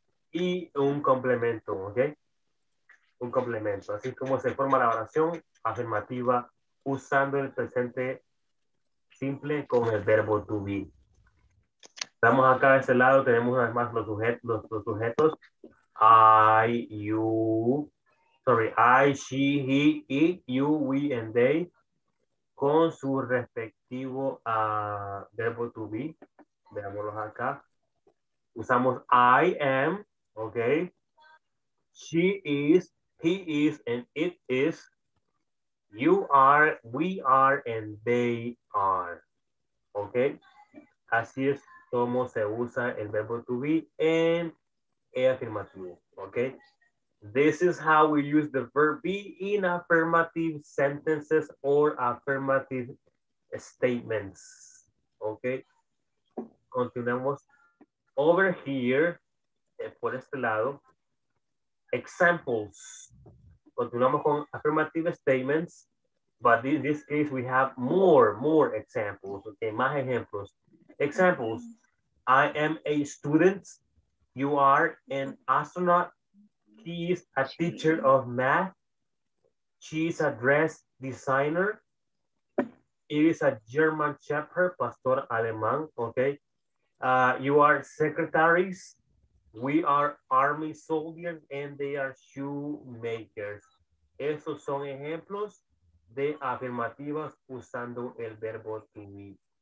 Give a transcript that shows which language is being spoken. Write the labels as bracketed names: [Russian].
[Spanish] Y un complemento, ¿ok? Un complemento. Así es como se forma la oración afirmativa usando el presente simple con el verbo to be. Estamos acá de este lado, tenemos una vez más los sujetos. Los sujetos. [English] I, you, sorry, I, she, he, it, you, we, and they. [Spanish] Con su respectivo verbo to be. Veámoslos acá. [English] Usamos I am, ok. She is, he is, and it is. You are, we are, and they are. Ok. [Spanish] Así es como se usa el verbo to be en el afirmativo. [English] Ok. This is how we use the verb be in affirmative sentences or affirmative statements. [Spanish] Ok. Continuamos. [English] Over here, [Spanish] por este lado, examples. Continuamos con [English] affirmative statements, but in this case we have more examples. Okay, [Spanish] más ejemplos. [English] Examples. I am a student. You are an astronaut. He is a teacher of math. She is a dress designer. It is a German shepherd, [Spanish] pastor alemán. [English] Okay. You are secretaries, we are army soldiers, and they are shoemakers. [Spanish] Esos son ejemplos de afirmativas usando el verbo to be.